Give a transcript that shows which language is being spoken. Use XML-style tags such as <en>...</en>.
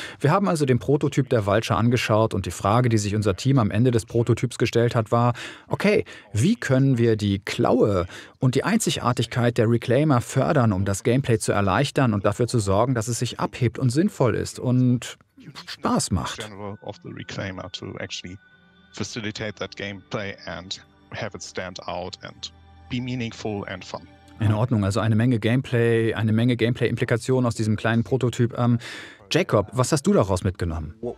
<de>Wir haben also den Prototyp der Vulture angeschaut und die Frage, die sich unser Team am Ende des Prototyps gestellt hat, war, okay, wie können wir die Klaue und die Einzigartigkeit der Reclaimer fördern, um das Gameplay zu erleichtern und dafür zu sorgen, dass es sich abhebt und sinnvoll ist und Spaß macht.</de> <en>General of the Reclaimer to actually facilitate that gameplay and have it stand out and be meaningful and fun.</en> <de>In Ordnung, also eine Menge Gameplay-Implikationen aus diesem kleinen Prototyp. Jacob, was hast du daraus mitgenommen?</de>